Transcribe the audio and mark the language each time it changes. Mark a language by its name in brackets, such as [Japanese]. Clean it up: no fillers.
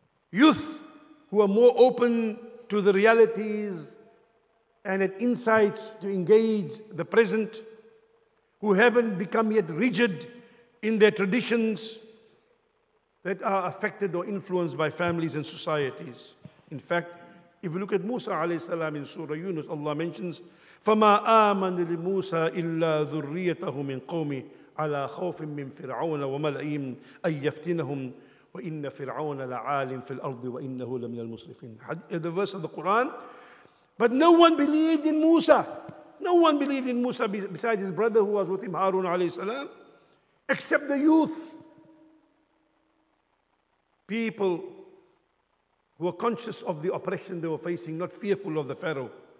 [English] Youth who are more open to the realities and at insights to engage the present, who haven't become yet rigid in their traditions that are affected or influenced by families and societies. In fact, if you look at Musa alayhi salam in Surah Yunus, Allah mentions, [Arabic] فَمَا آمَنَ لِمُوسَى إِلَّا ذُرِّيَّتَهُ مِنْ قَوْمِ على خوف من فرعون وملئهم أن يفتنهم وإن فرعون لعالم في الأرض وإنه لمن المسرفين. [English] The verse of the Quran. But no one believed in Musa. No one believed in Musa besides his brother who was with him, Harun alayhi salam, except the youth. People who were conscious of the oppression they were facing, not fearful of the Pharaoh.